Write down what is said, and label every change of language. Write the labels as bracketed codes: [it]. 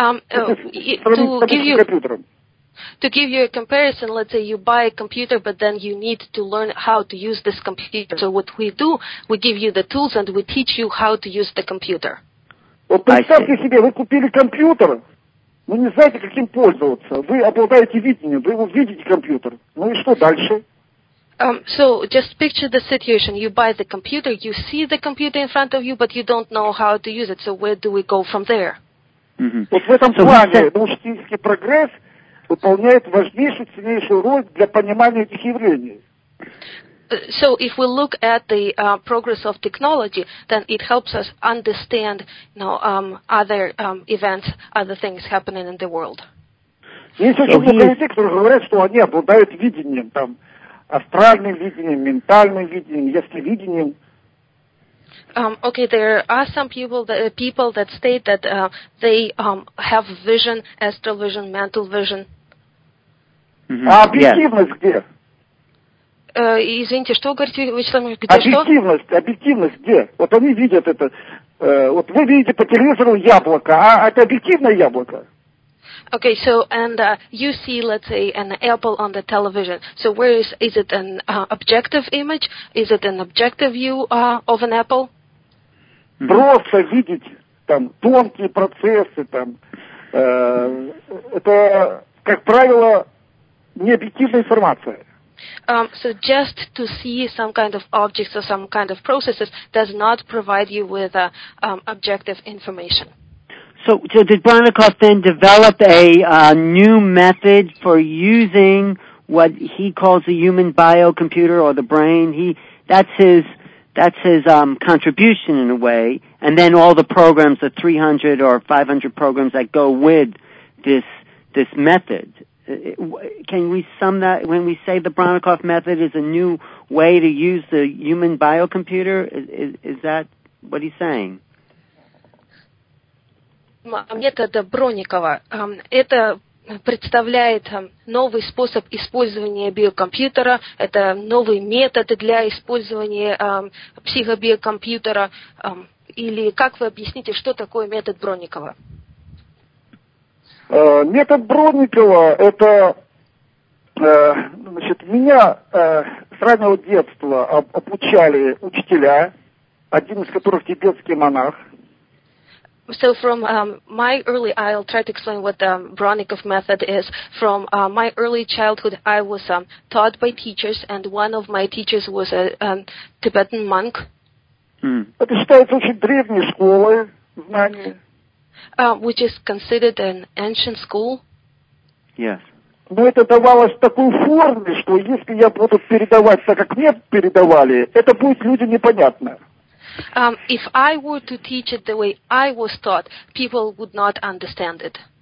[en] To give you a comparison, let's say you buy a computer, but then you need to learn how to use this computer. So what we do, we give you the tools and we teach you how to use the computer. [ru] Вот представьте себе, вы купили компьютер, но не знаете, как им пользоваться. Вы обладаете видением, вы видите компьютер. Ну и что дальше? [en] So, just picture the situation. You buy the computer, you see the computer in front of you, but you don't know how to use it. So, where do we go from there? [ru] Вот в этом плане научный прогресс выполняет важнейшую, ценнейшую роль для понимания этих явлений. [en] So, if we look at the progress of technology, then it helps us understand, you know, other events, other things happening in the world. [ru] Есть очень много людей, которые говорят, что они обладают видением, там, астральным видением, ментальным видением, ясновидением. [en] Okay, there are some people that state that they have vision, astral vision, mental vision. [ru] Mm-hmm. А объективность где? Извините, что вы говорите, Вячеслав Ильич, где объективность где? Вот они видят это. Вот вы видите по телевизору яблоко, а это объективное яблоко? [en] Okay, so, and you see, let's say, an apple on the television. So where is it an objective image? Is it an objective view of an apple? [ru] Просто видеть там тонкие процессы, там, это, как правило, необъективная информация. [en] So just to see some kind of objects or some kind of processes does not provide you with objective information. So did Bronnikov then develop a new method for using what he calls the human biocomputer or the brain? That's his contribution in a way. And then all the programs, the 300 or 500 programs that go with this method. Can we sum that when we say the Bronnikov method is a new way to use the human biocomputer? Is that what he's saying? [ru] Метод Бронникова это представляет новый способ использования биокомпьютера, это новый метод для использования психобиокомпьютера, или как вы объясните, что такое метод Бронникова? Метод Бронникова это, значит, меня с раннего детства обучали учителя, один из которых тибетский монах. [en] So from my early, I'll try to explain what the Bronnikov method is. From my early childhood, I was taught by teachers, and one of my teachers was a Tibetan monk. [ru] Это считается очень древней школой знаний. [en] Which is considered an ancient school. Yes. [ru] Но это давалось в такой форме, что если я буду передавать так, как мне передавали, это будет людям непонятно. [en] If I were to teach it the way I was taught, people would not understand it.